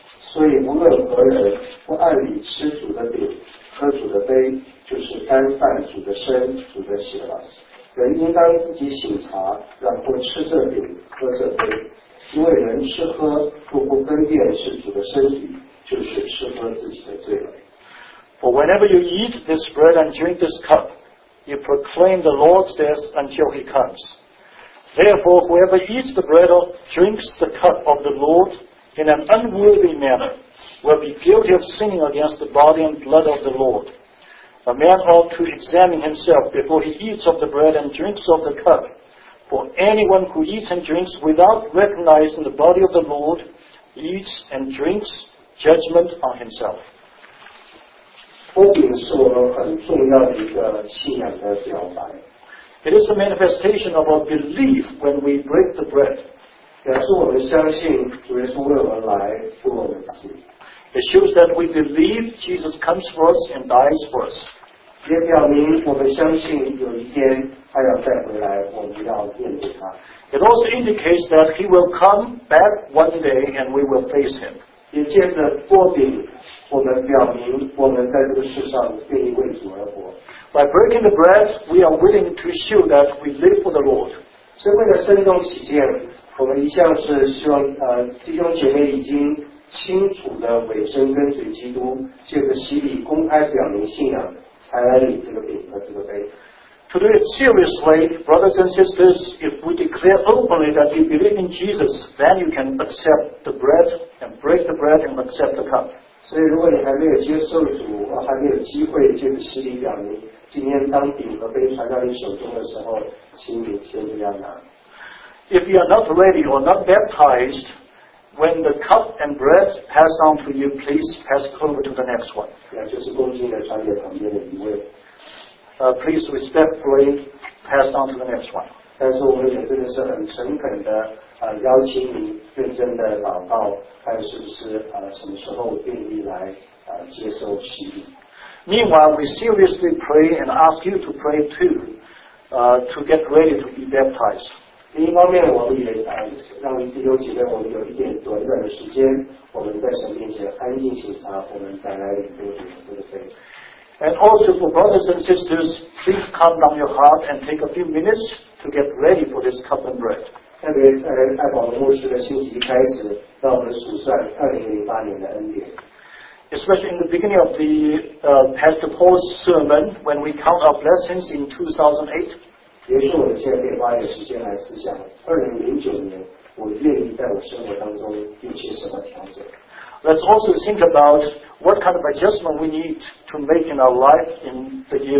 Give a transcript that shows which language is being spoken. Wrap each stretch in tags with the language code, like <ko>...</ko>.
<zh>所以无论何人，不按理吃主的饼、喝主的杯，就是干犯主的身、主的血了。人应当自己省察，然后吃这饼、喝这杯。因为人吃喝若不分辨是主的身体，就是吃喝自己的罪了。</zh> <en>For whenever you eat this bread and drink this cup, you proclaim the Lord's death until he comes. Therefore, whoever eats the bread or drinks the cup of the Lord in an unworthy manner will be guilty of sinning against the body and blood of the Lord. A man ought to examine himself before he eats of the bread and drinks of the cup. For anyone who eats and drinks without recognizing the body of the Lord eats and drinks judgment on himself.</en> <zh>托饼是我们很重要的一个信仰的表白。</zh> <en>It is a manifestation of our belief when we break the bread.</en> <zh>表示我们相信主耶稣为我们来付我们死。</zh> <en>It shows that we believe Jesus comes for us and dies for us.</en> <zh>也表明我们相信有一天他要再回来，我们要面对他。</zh> <en>It also indicates that he will come back one day and we will face him.</en> <zh>也借着托饼，我们表明我们在这个世上愿意为主而活。</zh> <en>By breaking the bread, we are willing to show that we live for the Lord.</en> <zh>是为了慎重起见，我们一向是希望弟兄姐妹已经清楚的委身跟随基督，借着洗礼公开表明信仰，才来领这个饼和这个杯。</zh> <en>To do it seriously, brothers and sisters, if we declare openly that you believe in Jesus, then you can accept the bread and break the bread and accept the cup.</en> <zh>所以如果你还没有接受主，还没有机会借着洗礼表明今天当饼和杯传到你手中的时候，请你先这样拿。</zh> <en>If you are not ready or not baptized, when the cup and bread pass on to you, please pass over to the next one.</en> <zh>也就是恭敬地传给旁边的一位。</zh> <en>Please respectfully pass on to the next one.</en> <zh>但是我们也真的是很诚恳的邀请你认真的祷告，看是不是什么时候愿意来接受洗礼。</zh> <en>Meanwhile, we seriously pray and ask you to pray too, to get ready to be baptized.</en> <zh>另一方面，我们也让弟兄姐妹，我们有一点短短的时间，我们在神面前安静省察，我们再来领受主的这个杯。</zh> <en>And also for brothers and sisters, please calm down your heart and take a few minutes to get ready for this cup and bread.</en> <zh>特别爱宝牧师的信息开始，让我们数算2008年的恩典。</zh> <en>Especially in the beginning of the Pastor Paul's sermon, when we count our blessings in 2008.</en> <zh>也许我们现在可以花一点时间来思想2009年，我愿意在我生活当中有些什么调整。</zh> <en>Let's also think about what kind of adjustment we need to make in our life in the year</en>